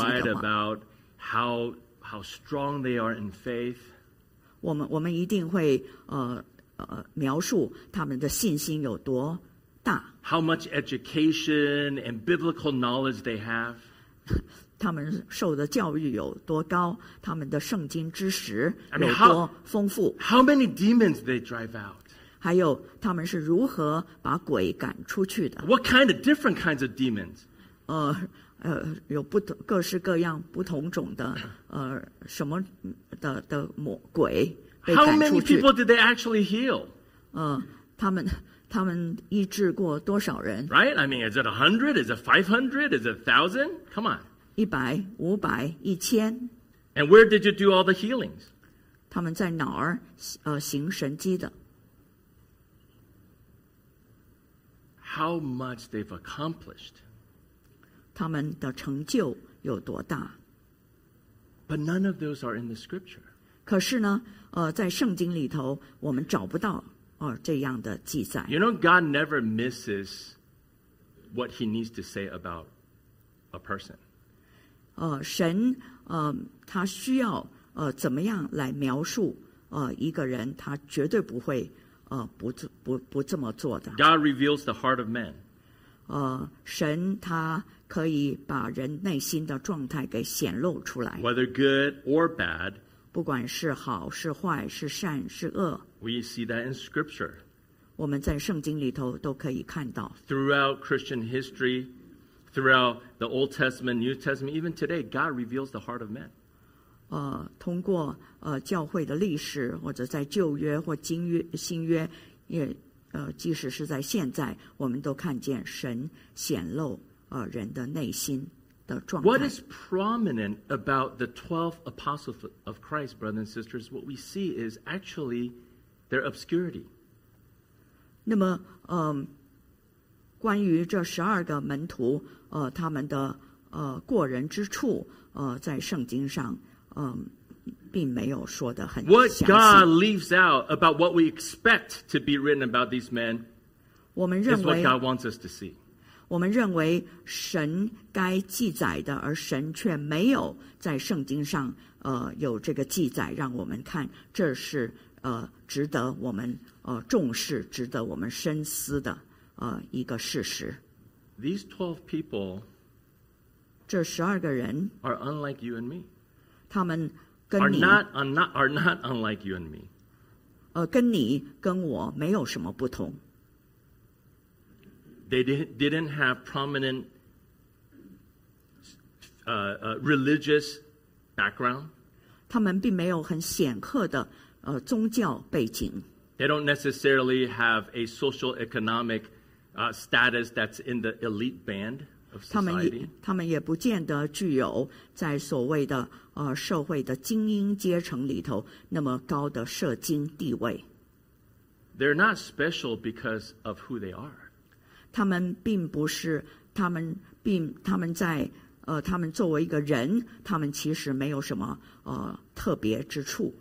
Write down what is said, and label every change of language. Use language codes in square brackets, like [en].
[en] we're going to write about how strong they are in faith. [zh] 我们一定会描述他们的信心有多大。 [en] How much education and biblical knowledge they have. [zh] 他们受的教育有多高，他们的圣经知识有多丰富。 [en] How many demons they drive out. [zh] 还有他们是如何把鬼赶出去的。 [en] What kind of different kinds of demons. [zh] 有不同各式各样不同种的什么的魔鬼。 [en] How many people did they actually heal? [zh] 他们医治过多少人？ [en] Right? I mean, is it 100? Is it 500? Is it 1,000? Come on. [zh] 100, 500, 1,000. [en] And where did you do all the healings? [zh] 他们在哪儿行神迹的？ [en] how much they've accomplished. [zh] 他们的成就有多大? [en] But none of those are in the scripture. [zh] 可是呢, 在圣经里头, 我们找不到, 这样的记载。 [en] You know, God never misses what he needs to say about a person. [zh] 神, 他需要, 怎么样来描述, 一个人, 他绝对不会, 不这么做的。 [en] God reveals the heart of man. [zh] 神, 他可以把人内心的状态给显露出来。 [en] Whether good or bad, [zh] 不管是好是坏, 是善是恶, [en] we see that in scripture. [zh] 我们在圣经里头都可以看到。 [en] Throughout Christian history, throughout the Old Testament, New Testament, even today, God reveals the heart of man. [zh] 通过 教会的历史, 或者在旧约或新约, 也, 即使是在现在, 我们都看见神显露, [en] What is prominent about the 12 apostles of Christ, brothers and sisters, what we see is actually their obscurity. [zh] 那么, 关于这12个门徒, 他们的, 过人之处, 在圣经上, 并没有说得很详细。 [en] What God leaves out about what we expect to be written about these men [zh] 我们认为, [en] is what God wants us to see. [zh] 我们认为神该记载的, 而神却没有在圣经上, 有这个记载, 让我们看, 这是, 值得我们, 重视, 值得我们深思的, 一个事实。 [en] These 12 people [zh] 这12个人, [en] are unlike you and me. [zh] 他们跟你, [en] are not unlike you and me. [zh] 跟你跟我没有什么不同。 [en] They didn't have prominent religious background. [zh] 他们并没有很显赫的, 宗教背景。 [en] They don't necessarily have a social economic status that's in the elite band of society. [zh] 他们也不见得具有在所谓的, 社会的精英阶层里头那么高的社经地位。 [en] They're not special because of who they are. [zh] 他们并不是他们作为一个人他们其实没有什么特别之处